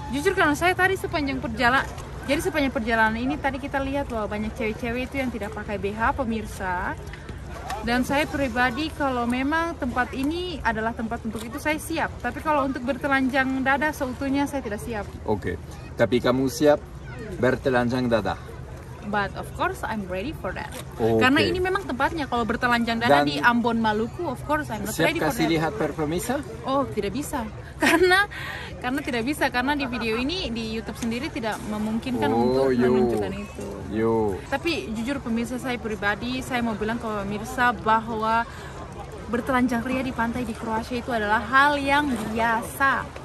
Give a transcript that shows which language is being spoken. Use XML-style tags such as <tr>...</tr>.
<id>Jujur karena saya tadi sepanjang perjalanan ini tadi kita lihat bahwa banyak cewek-cewek itu yang tidak pakai BH pemirsa, dan saya pribadi kalau memang tempat ini adalah tempat untuk itu saya siap, tapi kalau untuk bertelanjang dada seutuhnya saya tidak siap. Oke. Tapi kamu siap bertelanjang dada?</id> <en>But of course I'm ready for that. Okay.</en> <id>Karena ini memang tempatnya, kalau bertelanjang dada dan</id> <en>di Ambon Maluku, of course I'm not ready for that.</en> <id>Siap kasih lihat performisa? Oh, tidak bisa. Karena di video ini di YouTube sendiri tidak memungkinkan untuk menunjukkan itu. Yo. Tapi jujur pemirsa, saya pribadi saya mau bilang ke pemirsa bahwa bertelanjang ria di pantai di Kroasia itu adalah hal yang biasa.</id>